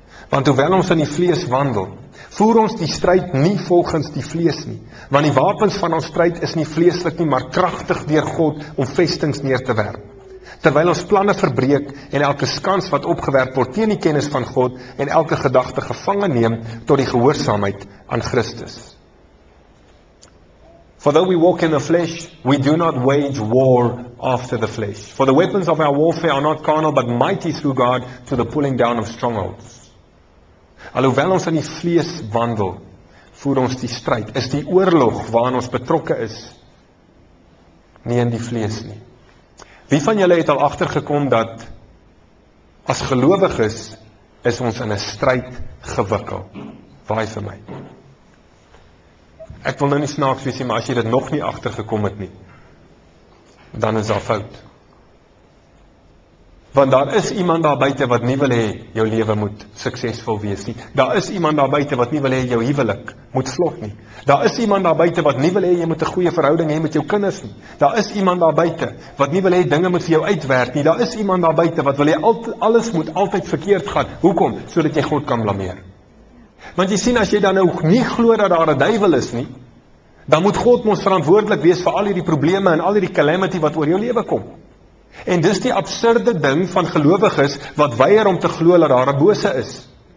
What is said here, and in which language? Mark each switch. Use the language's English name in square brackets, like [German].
[Afrikaans] Want hoewel ons in die vlees wandel, voer ons die stryd nie volgens die vlees nie, want die wapens van ons stryd is nie vleeslik nie, maar kragtig deur God om vestings neer te werp. Terwyl ons planne verbreek en elke skans wat opgewerp word teen die kennis van God en elke gedagte gevange neem tot die gehoorsaamheid aan Christus. [English] For though we walk in the flesh, we do not wage war after the flesh. For the weapons of our warfare are not carnal, but mighty through God to the pulling down of strongholds. [Afrikaans] Alhoewel ons in die vlees wandel, voer ons die stryd, is die oorlog waarin ons betrokke is, nie in die vlees nie. Wie van julle het al agtergekom dat as gelowiges is ons in 'n stryd gewikkel? Waai vir my. Ek wil nou nie snaaks wees nie, maar as jy dit nog nie agtergekom het nie, dan is daar fout. Want daar is iemand daar buite wat nie wil hê jou lewe moet suksesvol wees nie. Daar is iemand daar buite wat nie wil hê jou huwelik moet vlot nie. Daar is iemand daar buite wat nie wil hê jy moet 'n goeie verhouding hê met jou kinders nie. Daar is iemand daar buite wat nie wil hê dinge moet vir jou uitwerk nie. Daar is iemand daar buite wat wil hê alles moet altyd verkeerd gaan. Hoekom? Sodat jy God kan blameer. Want jy sien, as jy dan nou nie glo dat daar 'n duiwel is nie, dan moet God mos verantwoordelik wees vir al hierdie probleme en al hierdie calamity wat oor jou lewe kom. En dis die absurde ding van gelowiges wat weier om te glo dat daar 'n bose is.